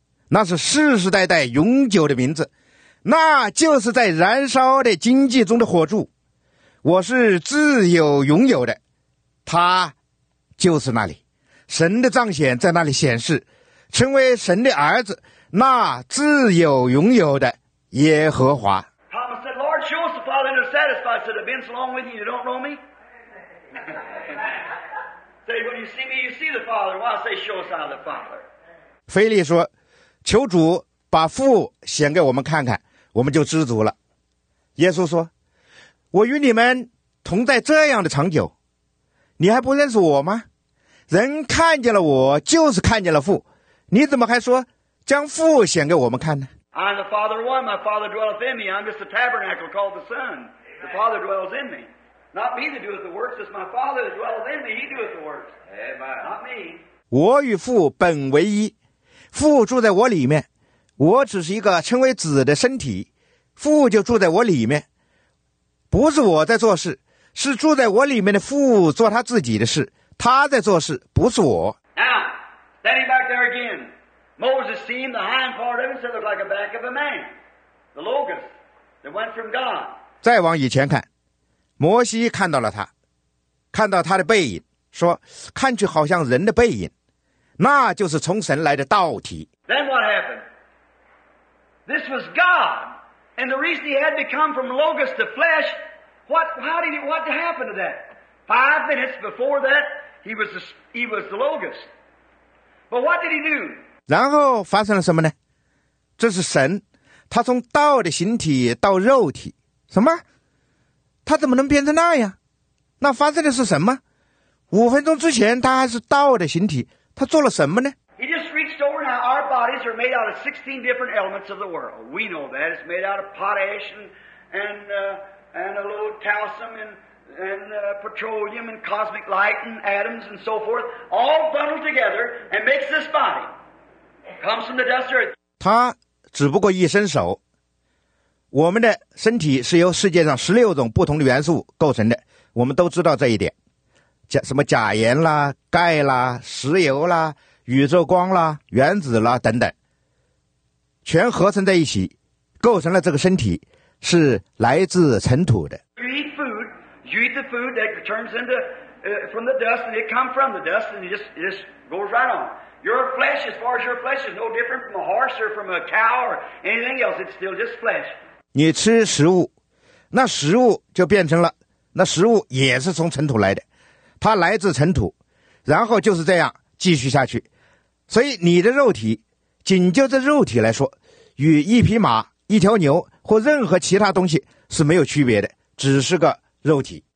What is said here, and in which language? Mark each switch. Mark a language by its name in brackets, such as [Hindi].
[Chinese] 那是世世代代永久的名字，那就是在燃烧的荆棘中的火柱。我是自有永有的，他就是那里，神的彰显在那里显示，成为神的儿子，那自有永有的耶和华。 [English] Thomas said, Lord, show us the Father and satisfy. I said, I've been so long with you, you don't know me. Say, when you see me, you see the Father. Why say, show us how the Father? [Chinese] 腓力说，求主把父显给我们看看，我们就知足了。耶稣说，我与你们同在这样的长久，你还不认识我吗？人看见了我就是看见了父，你怎么还说将父显给我们看呢？ [English] I'm the Father one, my Father dwelleth in me. I'm just a tabernacle called the Son. The Father dwells in me. Not me that doeth the works, it's my Father that dwelleth in me. He doeth the works. Amen. Not me. [Chinese] 我与父本为一，父住在我里面，我只是一个称为子的身体，父就住在我里面，不是我在做事，是住在我里面的父做他自己的事，他在做事，不是我。 [English] Now, standing back there again, Moses seen the hind part of him, said it looked like a back of a man, the logos that went from God. [Chinese] 再往以前看，摩西看到了他，看到他的背影，说看去好像人的背影，那就是从神来的道体。 [English] Then what happened? This was God, and the reason he had to come from logos to flesh, what happened to that? 5 minutes before that, he was the logos. But what did he do? [Chinese] 然后发生了什么呢？这是神，他从道的形体到肉体，什么？他怎么能变成那样？那发生的是什么？5分钟之前他还是道的形体，他做了什么呢？ [English] He just reached over. Now our bodies are made out of 16 different elements of the world. We know that. It's made out of potash and a little calcium and petroleum and cosmic light and atoms and so forth, all bundled together and makes this body. Comes from the dust earth. [Chinese] 他只不过一伸手，我们的身体是由世界上16种不同的元素构成的，我们都知道这一点。什么钾盐啦、钙啦、石油啦、宇宙光啦、原子啦等等，全合成在一起，构成了这个身体，是来自尘土的。 [English] You eat food, you eat the food that turns into from the dust, and it comes from the dust, and it just goes right on. Your flesh, as far as your flesh, is no different from a horse or from a cow or anything else. It's still just flesh. [Chinese] 你吃食物，那食物就变成了，那食物也是从尘土来的。它来自尘土，然后就是这样继续下去。所以你的肉体，仅就这肉体来说，与一匹马、一条牛或任何其他东西是没有区别的，只是个肉体。